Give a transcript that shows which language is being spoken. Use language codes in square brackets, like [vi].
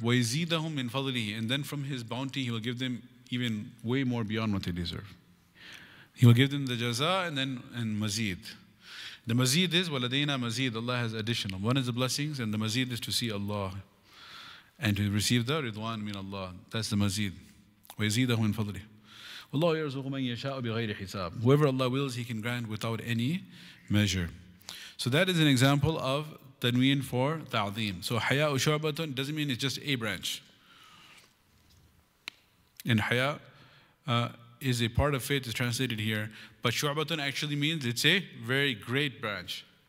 [ar] وَيْزِيدَهُمْ مِنْ فَضْلِهِ, [en] and then from his bounty he will give them even way more beyond what they deserve. He will give them the jaza and then and mazid. The mazid is [ar] وَلَدَيْنَا مَزِيدٌ, [en] Allah has additional. One is the blessings and the mazid is to see Allah and to receive the ridwan min Allah. That's the mazid. [ar] وَيْزِيدَهُمْ مِنْ فَضْلِهِ. Allah يرزق من يشاء بغير حساب. [en] Whoever Allah wills, He can grant without any measure. So that is an example of tanween for ta'zim. So haya ushabatun doesn't mean it's just a branch. And haya is a part of faith, is translated here. But shu'batun actually means it's a very great branch.